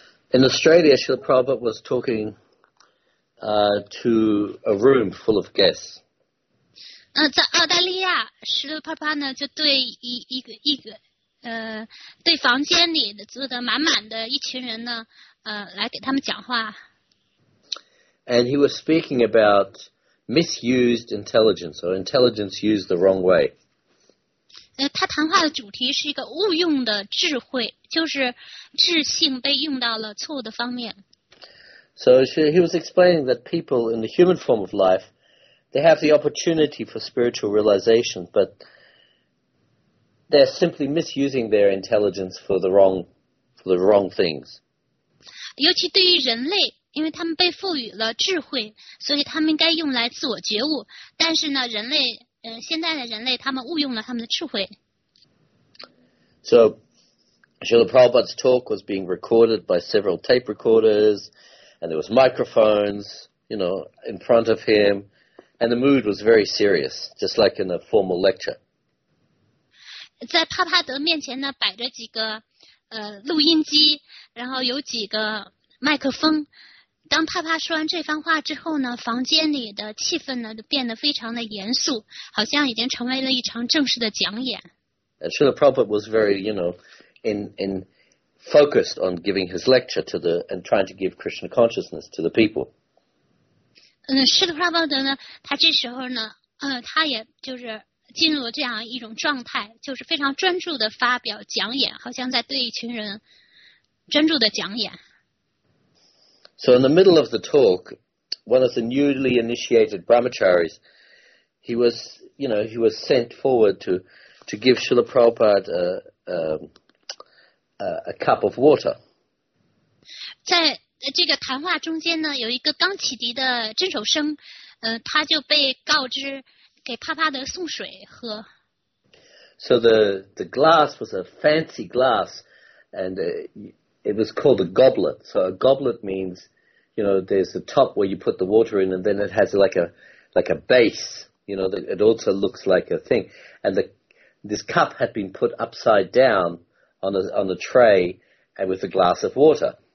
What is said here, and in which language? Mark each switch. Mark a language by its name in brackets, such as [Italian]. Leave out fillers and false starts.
[English] In Australia, Srila Prabhupada was talking to a room full of guests. [Chinese] 在澳大利亚，石头啪啪呢就对一个对房间里的坐的满满的一群人呢，来给他们讲话。 [English] And he was speaking about misused intelligence or intelligence used the wrong way. [Chinese] 他谈话的主题是一个误用的智慧，就是智性被用到了错误的方面。 [English] So he was explaining that people in the human form of life, they have the opportunity for spiritual realization, but they're simply misusing their intelligence for the wrong things. [Chinese] 尤其对于人类，因为他们被赋予了智慧，所以他们应该用来自我觉悟。但是呢，人类，现在的人类，他们误用了他们的智慧。 [English] So Srila Prabhupada's talk was being recorded by several tape recorders. and there was microphones, you know, in front of him, and the mood was very serious, just like in a formal lecture. [Chinese] 在帕帕德面前呢，摆着几个录音机，然后有几个麦克风。当帕帕说完这番话之后呢，房间里的气氛呢变得非常的严肃，好像已经成为了一场正式的讲演。 [English] And Srila Prabhupada was very, you know, in focused on giving his lecture to the and trying to give Krishna consciousness to the people. [Chinese] 嗯，Srila Prabhupada呢，他这时候呢，他也就是进入了这样一种状态，就是非常专注的发表讲演，好像在对一群人专注的讲演。 [English] So in the middle of the talk, one of the newly initiated brahmacharis, he was, you know, he was sent forward to give Srila Prabhupada a cup of water. [Chinese] 在这个谈话中间呢，有一个刚启迪的镇守生，他就被告知给帕帕德送水喝。 [English] So the glass was a fancy glass, and it was called a goblet. So a goblet means, you know, there's a top where you put the water in, and then it has like a base. You know, it also looks like a thing. And this cup had been put upside down on a tray and with a glass of water.